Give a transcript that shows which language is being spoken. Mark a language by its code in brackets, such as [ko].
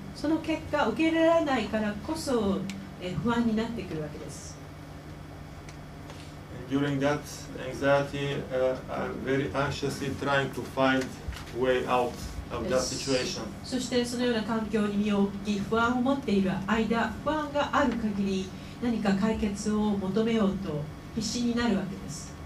[ja] その結果、受け入れられないからこそ不安になってくるわけです。 [en] And during that anxiety, I'm very anxiously trying to find. Way out of that situation. [ja] そしてそのような環境に身を置き不安を持っている間、不安がある限り、何か解決を求めようと必死になるわけです。